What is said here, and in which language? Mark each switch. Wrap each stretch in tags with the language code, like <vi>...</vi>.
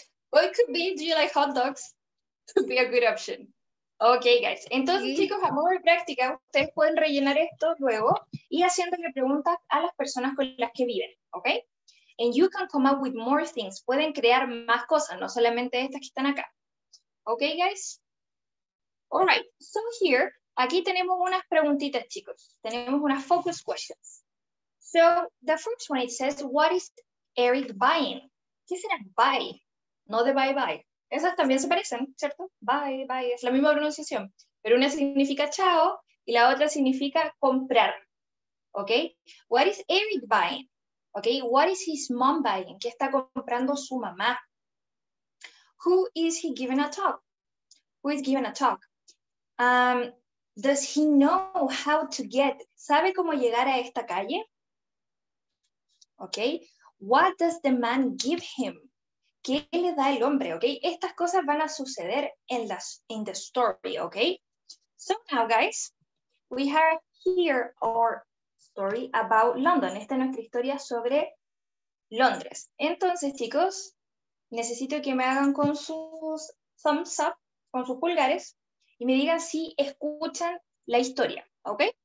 <en>Well, it could be, do you like hot dogs? Could be a good option. Okay, guys.</en> <es>Entonces, sí. Chicos, a modo de práctica, ustedes pueden rellenar esto luego y haciéndole preguntas a las personas con las que viven, okay?</es> <en>And you can come up with more things.</en> <es>Pueden crear más cosas, no solamente estas que están acá. Okay, guys?</es> <en>All right, so here,</en> <es>aquí tenemos unas preguntitas, chicos. Tenemos unas</es> <en>focus questions. So, the first one, it says, what is Eric buying?</en> <es>¿Qué será buy? No de bye-bye. Esas también se parecen, ¿cierto? Bye-bye, es la misma pronunciación. Pero una significa chao y la otra significa comprar.</es> <en>Okay? What is Eric buying? Okay? What is his mom buying?</en> <es>¿Qué está comprando su mamá?</es> <en>Who is he giving a talk? Who is giving a talk? Does he know how to get?</en> <es>¿Sabe cómo llegar a esta calle? Okay.</es> <en>What does the man give him?</en> <es>¿Qué le da el hombre?</es> <en>Okay.</en> <es>Estas cosas van a suceder en las</es> <en>in the story.</en> <es>Okay.</es> <en>So now, guys, we have here our story about London.</en> <es>Esta es nuestra historia sobre Londres. Entonces, chicos, necesito que me hagan con sus thumbs up, con sus pulgares, y me digan si escuchan la historia, ¿ok?</es>